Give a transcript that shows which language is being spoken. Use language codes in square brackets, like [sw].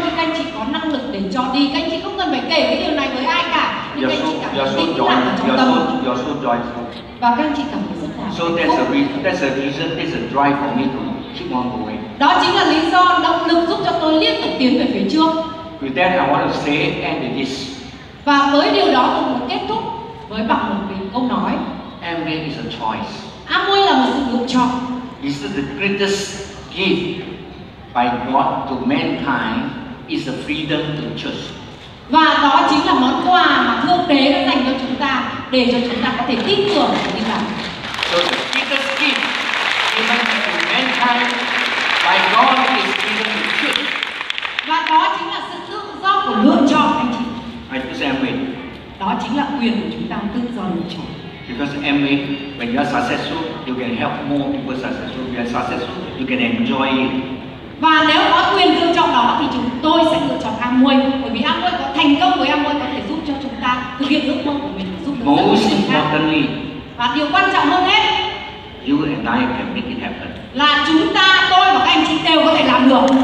[vi] Các anh chị có năng lực để cho đi. Các anh chị không cần phải kể cái điều này với ai cả. Nhưng các anh chị cảm thấy tĩnh lặng trong tâm. Và các anh chị cảm thấy rất là. [en] So there's a reason. There's a drive for me to keep on going. [vi] Đó chính là lý do động lực giúp cho tôi liên tục tiến về phía trước. [en] With that, I want to say end this. [vi] Và với điều đó, tôi muốn kết thúc với bằng một cái câu nói. [en] Amway is a choice. [vi] Amway là một sự lựa chọn. [en] It's the greatest gift by God to mankind is the freedom to choose. [vi] Và đó chính là món quà mà Thượng Đế đã dành cho chúng ta để cho chúng ta có thể tin tưởng và tin rằng. [en] So the greatest gift given to mankind by God is freedom to choose. [vi] Và đó chính là sự tự do của lựa chọn, anh chị. [en] I choose Amway. [vi] Đó chính là quyền của chúng ta tự do lựa chọn. [en] Because MA, when you are successful, you can help more people successful. When you are successful, you can enjoy it. [vi] Và nếu có quyền lựa chọn đó thì chúng tôi sẽ lựa chọn Amway. Bởi vì Amway có thành công với Amway có thể giúp cho chúng ta thực hiện ước mơ của mình, giúp được rất nhiều người khác. Và điều quan trọng hơn hết, [en] you and I can make it happen. Là chúng ta, tôi và các anh chị đều có thể làm được.